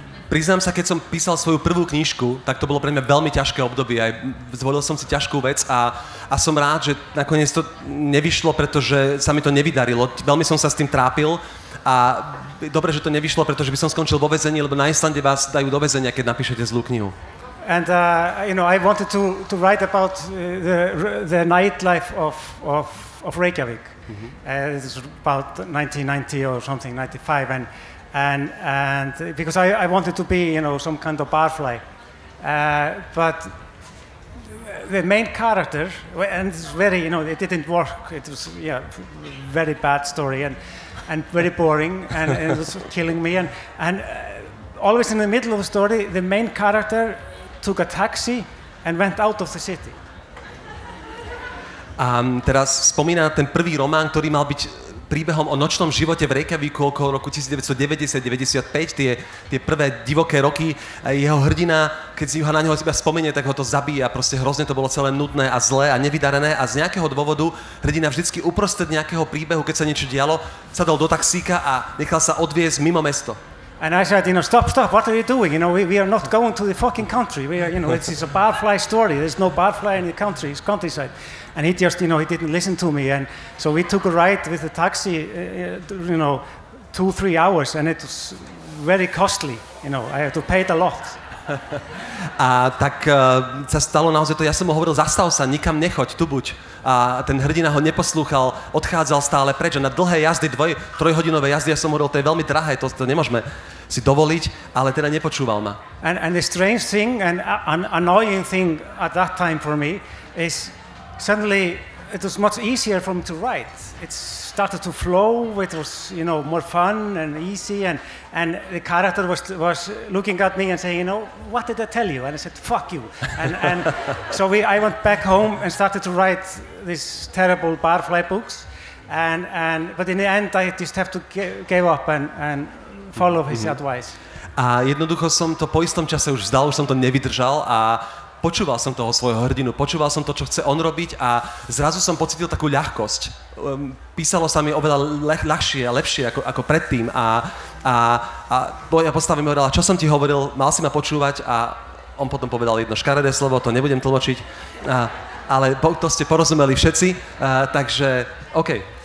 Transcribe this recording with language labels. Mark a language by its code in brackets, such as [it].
[sk] Priznám sa, keď som písal svoju prvú knižku, tak to bolo pre mňa veľmi ťažké obdobie. Aj zvolil som si ťažkú vec a som rád, že nakoniec to nevyšlo, pretože sa mi to nevydarilo. Veľmi som sa s tým trápil a dobre, že to nevyšlo, pretože by som skončil vo väzení, lebo na Islande vás dajú do väzenia, keď napíšete zlú knihu. [en] And you know, I wanted to write about the nightlife of Reykjavík. Mm-hmm. It's about 1990 or something, 95, and because I wanted to be, you know, some kind of barfly. But the main character, and it's very, you know, it didn't work. It was, yeah, very bad story and very boring, and it was killing me. And always in the middle of the story, the main character took a taxi and went out of the city. [sk] Teraz spomínam ten prvý román, ktorý mal byť príbehom o nočnom živote v Reykjavíku okolo roku 1990-95, tie prvé divoké roky. Jeho hrdina, keď si ho na neho iba spomenie, tak ho to zabíja. Proste hrozne to bolo celé nudné a zlé a nevydarené. A z nejakého dôvodu hrdina vždycky uprostred nejakého príbehu, keď sa niečo dialo, sadol do taxíka a nechal sa odviesť mimo mesto. [en] And I said, you know, stop, what are you doing? You know, we are not going to the fucking country. We are, you know, it's a barfly story. There's no barfly in the country, it's countryside. And he just, you know, he didn't listen to me. And so we took a ride with the taxi, you know, 2-3 hours, and it was very costly. You know, I had to pay it a lot. [sk] A tak sa stalo naozaj to, ja som mu hovoril, zastav sa, nikam nechoď, tu buď. A ten hrdina ho neposlúchal, odchádzal stále preč. A na dlhé jazdy, trojhodinové jazdy, ja som hovoril, to je veľmi drahé, to nemôžeme si dovoliť, ale teda nepočúval ma. [en] And the strange thing, and an annoying thing at that time for me, is suddenly it was much easier for me to write. It started to flow, it was, you know, more fun and easy, and the character was looking at me and saying, you know, what did I tell you? And I said, fuck you. And so I went back home and started to write these terrible barfly books, and but in the end I just have to give up and follow his advice. [sk] A jednoducho som to po istom čase už vzdal, už som to nevydržal a počúval som toho svojho hrdinu, počúval som to, čo chce on robiť a zrazu som pocítil takú ľahkosť. Písalo sa mi oveľa ľahšie a lepšie ako predtým a moja postava mi hovorila, čo som ti hovoril, mal si ma počúvať a on potom povedal jedno škaredé slovo, to nebudem tlmočiť, ale to ste porozumeli všetci, takže OK.